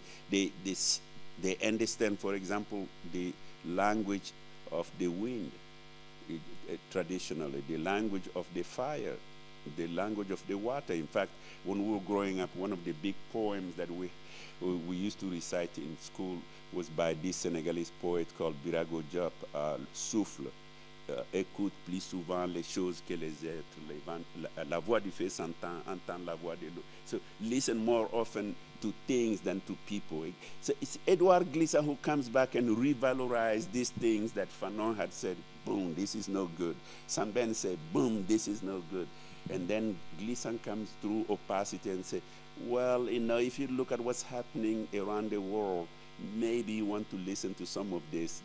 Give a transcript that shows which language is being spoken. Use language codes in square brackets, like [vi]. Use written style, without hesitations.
[en] They understand, for example, the language of the wind, traditionally, the language of the fire, the language of the water. In fact, when we were growing up, one of the big poems that we used to recite in school was by this Senegalese poet called Birago Diop, Souffle. [fr] Écoute plus souvent les choses que les êtres, la voix du feu s'entend, entend la voix de l'eau. [en] So listen more often to things than to people. So it's Edouard Glissa who comes back and revalorize these things that Fanon had said, boom, this is no good. Sembène said, boom, this is no good. And then Glissa comes through opacity and say, well, you know, if you look at what's happening around the world, maybe you want to listen to some of this.